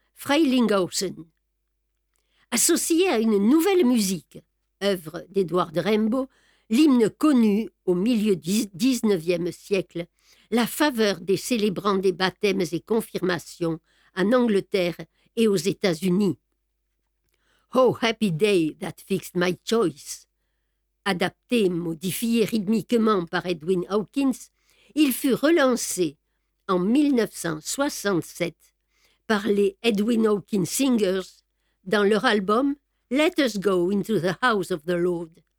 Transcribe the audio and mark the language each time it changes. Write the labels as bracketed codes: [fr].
[fr] Frelinghuysen. Associée à une nouvelle musique, œuvre d'Edward Rimbaud, l'hymne connu au milieu du XIXe siècle, la faveur des célébrants des baptêmes et confirmations en Angleterre et aux États-Unis. [en] Oh, happy day that fixed my choice! [fr] Adapté, modifié rythmiquement par Edwin Hawkins, il fut relancé en 1967 par les Edwin Hawkins Singers dans leur album Let Us Go Into the House of the Lord